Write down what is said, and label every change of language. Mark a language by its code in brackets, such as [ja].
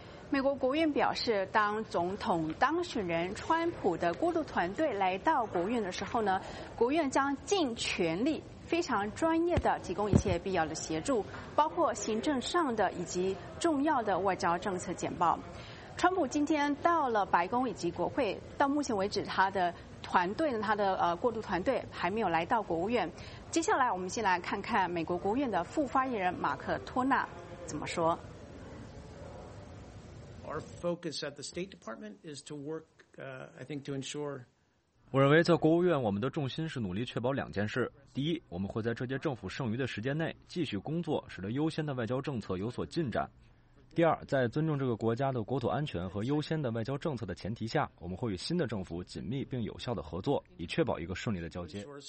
[zh] 美国国务院表示，当总统当选人川普的过渡团队来到国务院的时候呢，国务院将尽全力非常专业的提供一些必要的协助，包括行政上的以及重要的外交政策简报。川普今天到了白宫以及国会，到目前为止他的团队呢，他的过渡团队还没有来到国务院。接下来我们先来看看美国国务院的副发言人马克·托纳怎么说。 [en] Our focus at the State Department is to work, I think, to ensure. [zh] 我认为在国务院我们的重心是努力确保两件事。第一，我们会在这届政府剩余的时间内继续工作，使得优先的外交政策有所进展。第二，在尊重这个国家的国土安全和优先的外交政策的前提下，我们会与新的政府紧密并有效的合作，以确保一个顺利的交接。